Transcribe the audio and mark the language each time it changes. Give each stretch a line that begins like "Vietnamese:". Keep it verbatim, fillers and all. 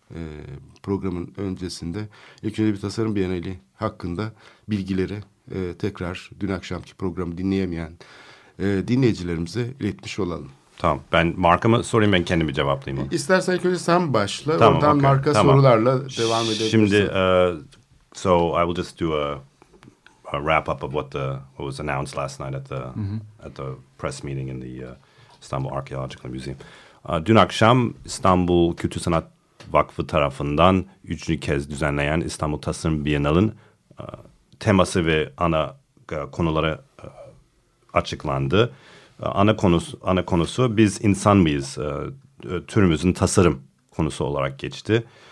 Turkish: E, programın öncesinde ilk önce bir Tasarım Bienali hakkında bilgileri Ee, tekrar dün akşamki programı dinleyemeyen e, dinleyicilerimize iletmiş olalım. Tamam, ben markamı sorayım, ben kendimi cevaplayayım. İstersen ilk önce sen başla, tamam, oradan okay. marka tamam. sorularla devam edebilirsin.
English: Şimdi, uh, so I will just do a, a wrap up of what the what was announced last night at the mm-hmm. at the press meeting in the uh, Istanbul Archaeological Museum.
Turkish: Uh, dün akşam İstanbul Kültür Sanat Vakfı tarafından üçüncü kez düzenleyen İstanbul Tasarım Bienali'nin uh, teması ve ana konuları açıklandı. Ana konusu, ana konusu biz insan mıyız? Türümüzün tasarım konusu olarak geçti.